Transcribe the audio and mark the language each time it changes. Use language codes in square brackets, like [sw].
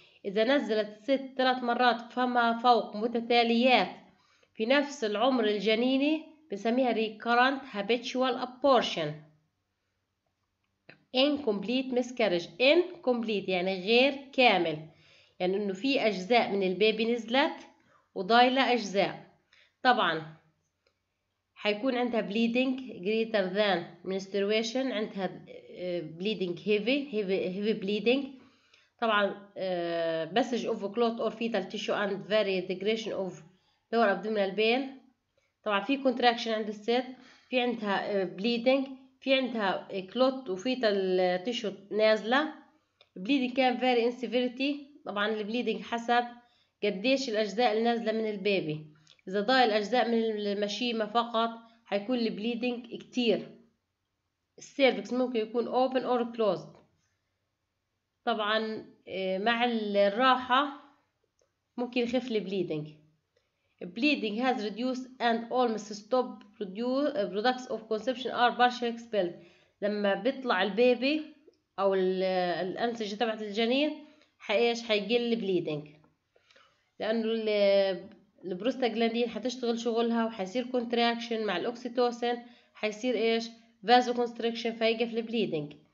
[ar] اذا نزلت الست 3 مرات فما فوق متتاليات في نفس العمر الجنيني بنسميها [en] recurrent habitual abortion. [ar] incomplete miscarriage، incomplete يعني غير كامل، يعني انه في اجزاء من البيبي نزلت وضايلة اجزاء. طبعا حيكون عندها [en] bleeding greater than menstruation، [ar] عندها [en] bleeding heavy bleeding. [ar] طبعا [en] passage of clot or fetal tissue and very degradation of lower abdominal pain. [ar] طبعا في contraction عند الست، في عندها bleeding، في عندها clot و fetal tissue نازلة. [en] bleeding can vary in severity، [ar] طبعا bleeding حسب قديش الأجزاء النازلة من البيبي. إذا ضايل أجزاء من المشيمة فقط هيكون البليدنج كتير. السيرفكس ممكن يكون [en] open or closed. [ar] طبعا مع الراحة ممكن يخف البليدنج. [en] Bleeding has reduced and almost stopped products of conception are partially expelled. [ar] لما بيطلع البيبي او الانسجة تبعت الجنين حايش حيقل البليدنج، لانه البروستاجلاندين حتشتغل شغلها وحيصير كونتراكشن مع الاوكسيتوسين، حيصير ايش فازو كونستريكشن، فيقف البليدنج.